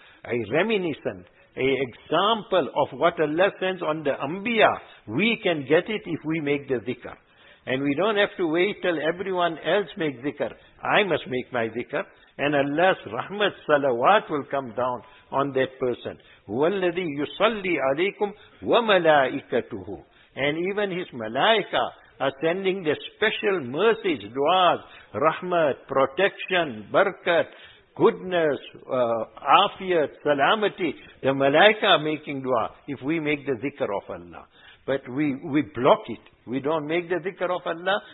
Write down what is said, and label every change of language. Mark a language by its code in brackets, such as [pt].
[en] A reminiscent, a example of what Allah sends on the Anbiya. We can get it if we make the zikr. And we don't have to wait till everyone else makes zikr. I must make my zikr. And Allah's rahmat salawat will come down on that person. [ar] هو الذي يصلي عليكم وملائكته. [en] And even his malaika are sending their special mercies, du'as, rahmat, protection, barakat, goodness, afiyat, salamati. The malaika are making du'a if we make the zikr of Allah. But we block it. We don't make the zikr of Allah.